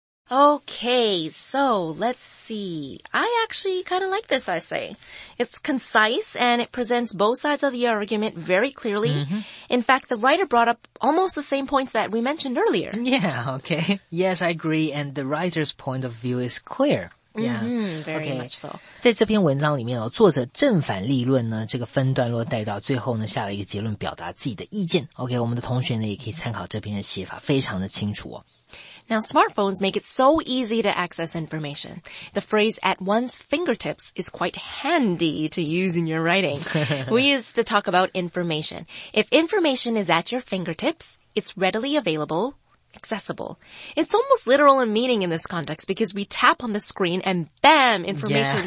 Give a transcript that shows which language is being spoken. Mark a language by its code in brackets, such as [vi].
[en] Okay, so let's see. I actually kind of like this essay. It's concise and it presents both sides of the argument very clearly. Mm-hmm. In fact, the writer brought up almost the same points that we mentioned earlier. Yeah, okay. Yes, I agree. And the writer's point of view is clear. Yeah, very much so. [zh] 在这篇文章里面哦，作者正反立论呢，这个分段落带到最后呢，下了一个结论，表达自己的意见。 OK, 我们的同学呢，也可以参考这篇的写法，非常的清楚哦。 [en] Now, smartphones make it so easy to access information. The phrase at one's fingertips is quite handy to use in your writing. We used to talk about information. If information is at your fingertips, it's readily available, accessible. It's almost literal in meaning in this context because we tap on the screen and bam, information